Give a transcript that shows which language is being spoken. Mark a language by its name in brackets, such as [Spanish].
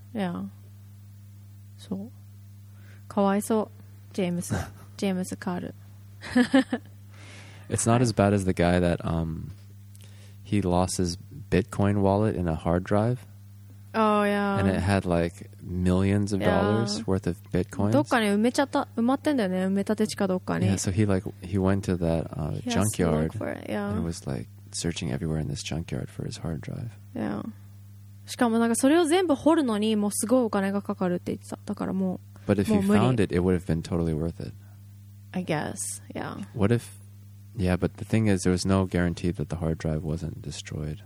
[English] Yeah. So, [Japanese] かわいそう [English] James Akaru. It's not as bad as the guy that he lost his Bitcoin wallet in a hard drive. Oh yeah. And it had like millions of dollars worth of Bitcoins. [Japanese] どっかに埋まってんだよね。埋め立て地かどっかに。 [English] Yeah. So he went to that junkyard yeah. and was like searching everywhere in this junkyard for his hard drive. Yeah. [Japanese] しかもなんかそれを全部掘るのにもうすごいお金がかかるって言ってた。だからもう。 [English] But if you found it would have been totally worth it. I guess. Yeah. What if? Yeah, but the thing is, there was no guarantee that the hard drive wasn't destroyed.